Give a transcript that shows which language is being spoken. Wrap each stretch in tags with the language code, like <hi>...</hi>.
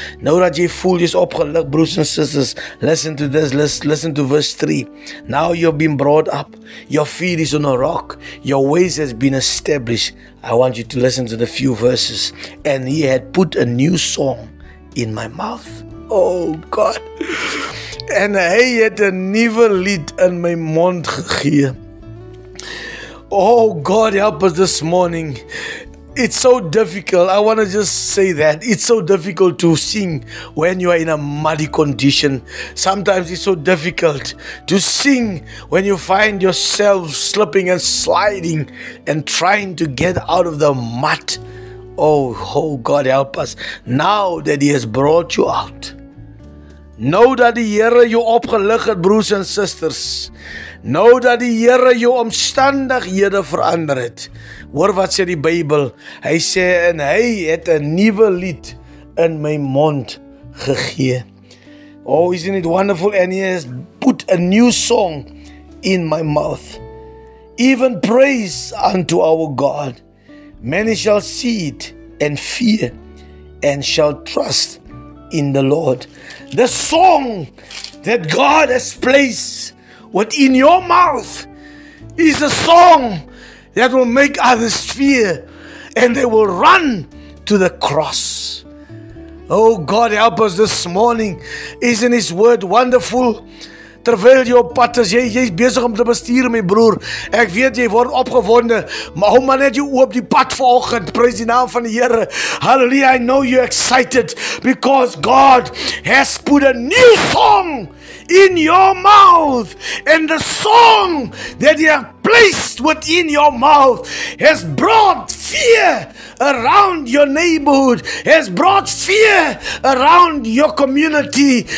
<af>Nou dat jy voel jy is opgelig, broers en sisters,</af> <en>listen to this, listen to verse 3. Now you've been brought up, your feet is on a rock, your ways has been established. I want you to listen to the few verses. And he had put a new song in my mouth. Oh God.</en> <af>En hy het 'n nuwe lied in my mond gegee.</af> <en>Oh God, help us this morning. It's so difficult. I want to just say that. It's so difficult to sing when you are in a muddy condition. Sometimes it's so difficult to sing when you find yourself slipping and sliding and trying to get out of the mud. Oh, God help us. Now that he has brought you out. Know that</en> <af>die Here jou opgelig het, broers en sisters.</af> <en>Know that</en> <af>die Here jou omstandighede verander het. Hoor wat sê die Bybel. Hy sê, en hy het 'n nuwe lied in my mond gegee.</af> <en>Oh, isn't it wonderful? And he has put a new song in my mouth. Even praise unto our God. Many shall see it and fear and shall trust in the Lord. The song that God has placed within your mouth is a song that will make others fear and they will run to the cross. Oh God, help us this morning. Isn't his word wonderful?</en> <af>Terwyl jy op pad is, jy is besig om te bestuur, my broer. Ek weet jy word opgewonde, maar hou maar net jou oop die pad vanoggend. Prys die naam van die Here.</af> <en>Hallelujah, I know you're excited because God has put a new song in your mouth. And the song that he has placed within your mouth has brought fear around your neighborhood, has brought fear around your community.</en>